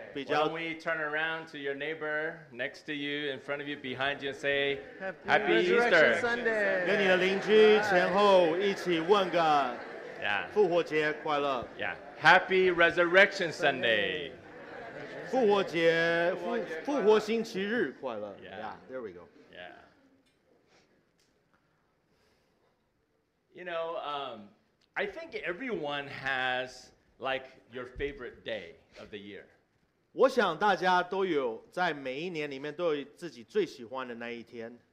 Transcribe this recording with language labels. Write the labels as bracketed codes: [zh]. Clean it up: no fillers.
[en] Why don't we turn around to your neighbor next to you, in front of you, behind you, and say, Happy Easter. Sunday. [zh] 跟你的邻居前后一起问个复活节快乐. [en] Yeah. Happy Resurrection Sunday. [zh] 复活节复活星期日快乐. [en] Yeah. There we go. Yeah. You know, I think everyone has like your favorite day of the year. [zh] 我想大家都有在每一年里面都有自己最喜欢的那一天.